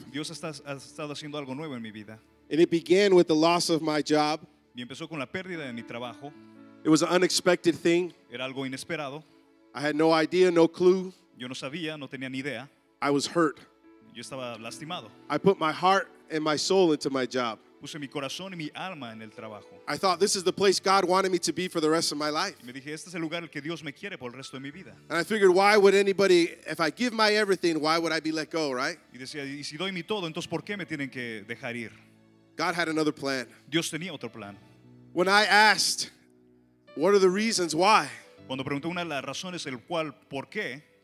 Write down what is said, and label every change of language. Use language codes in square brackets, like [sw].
[es] Dios ha estado haciendo algo nuevo en mi vida. [en] And it began with the loss of my job. [es] Y empezó con la pérdida de mi trabajo. [en] It was an unexpected thing. [es] Era algo inesperado. [en] I had no idea, no clue. [es] Yo no sabía, no tenía ni idea. [en] I was hurt. [es] Yo estaba lastimado. [en] I put my heart and my soul into my job. [es] Puse mi corazón y mi alma en el trabajo. [en] I thought this is the place God wanted me to be for the rest of my life. [es] Me dije, este es el lugar el que Dios me quiere por el resto de mi vida. [en] And I figured, why would anybody, if I give my everything, why would I be let go, right? [es] Y decía, y si doy mi todo, entonces ¿por qué me tienen que dejar ir? [en] God had another plan. [es] Dios tenía otro plan. [en] When I asked, what are the reasons why? [es] Cuando pregunté una de las razones el cual por qué.